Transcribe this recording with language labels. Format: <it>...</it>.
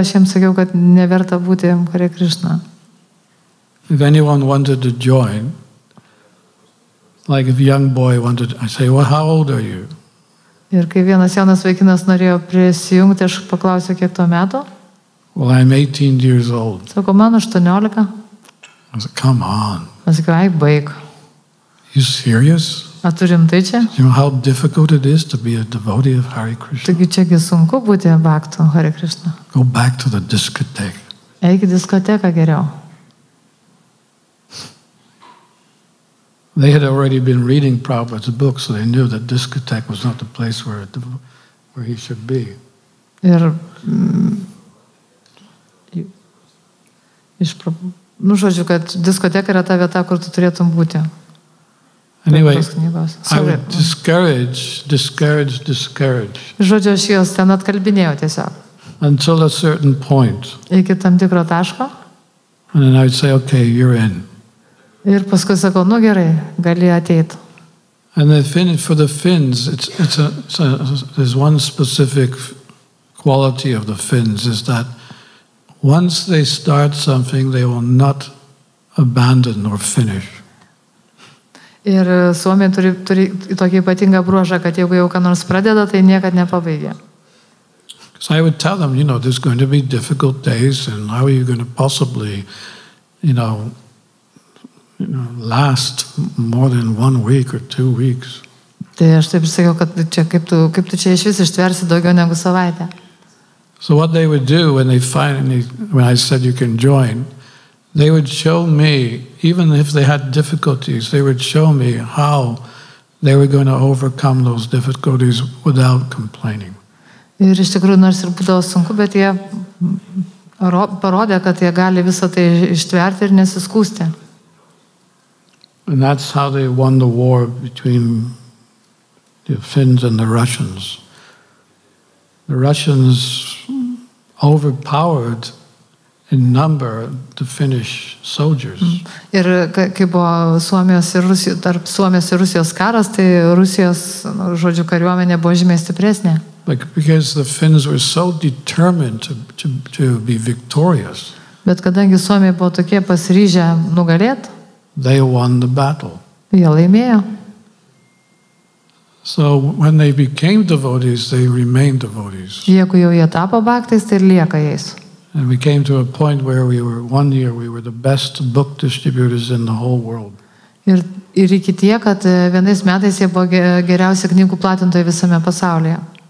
<lt>Jo, aš jiems sakiau, kad neverta būti Hare Krishna.</lt> <en>If anyone wanted to join, like if a young boy wanted, I say, well, how old are you?</en> <lt>Ir kai vienas jaunas vaikinas norėjo prisijungti, aš paklausiau, kiek tuo metu?</lt> <en>Well, I'm 18 years old.</en> <lt>Sako, man 18.</lt> <en>I said, come on.</en> <lt>I said, ai, baik.</lt> <en>You serious?</en> <lt>A tu rimtai čia?</lt> <en>You know how difficult it is to be a devotee of Hare Krishna?</en> <lt>Taigi čia sunku būti baktu Hare Krishna.</lt> <en>Go back to the discotheque.</en> <lt>Eik į diskoteką geriau.</lt> <en>They had already been reading Prabhupada's book, so they knew that discotheque was not the place where he should be.</en> <lt>Ir iš Prabhupada. Nu, žodžiu, kad diskoteka yra ta vieta, kur tu turėtum būti.</lt> <en>Anyway, I would discourage.</en> <lt>Žodžiu, aš jos ten atkalbinėjau tiesiog.</lt> <en>Until a certain point.</en> <lt>Iki tam tikro taško.</lt> <en>And then I would say, okay, you're in.</en> <lt>Ir paskui sakau, nu gerai, gali ateit.</lt> <en>And then for the Finns, there's one specific quality of the Finns is that once they start something, they will not abandon or finish.</en> <lt>Ir Suomiai turi tokį ypatingą bruožą, kad jeigu jau ką nors pradeda, tai niekad nepabaigia.</lt> <en>So I would tell them, you know, there's going to be difficult days and how are you going to possibly, you know, last more than 1 week or 2 weeks.</en> <lt>Tai aš taip sakiau, kad čia kaip tu čia iš vis ištversi daugiau negu savaitę.</lt> <en>So what they would do when they finally, when I said you can join, they would show me, even if they had difficulties, they would show me how they were going to overcome those difficulties without complaining.</en> <lt>Ir iš tikrųjų, nors ir būdavo sunku, bet jie parodė, kad jie gali visą tai ištverti ir nesiskūsti.</lt> <en>And that's how they won the war between the Finns and the Russians. The Russians overpowered in number the Finnish soldiers.</en> <lt>Ir kai buvo Suomijos ir Rusijos karas, tai Rusijos, žodžiu, kariuomenė buvo žymiai stipresnė.</lt> <en>Like because the Finns were so determined to be victorious.</en> <lt>Bet kadangi Suomija buvo tokie pasiryžę nugalėt,</lt> <en>they won the battle.</en> <lt>Jie laimėjo.</lt> <en>So when they became devotees, they remained devotees.</en> <lt>Jeigu jau jie tapo baktais, tai ir lieka jais.</lt> <en>And we came to a point where one year we were the best book distributors in the whole world.</en> <lt>Ir iki tiek, kad vienais metais jie buvo geriausi knygų platintojai visame pasaulyje.</lt>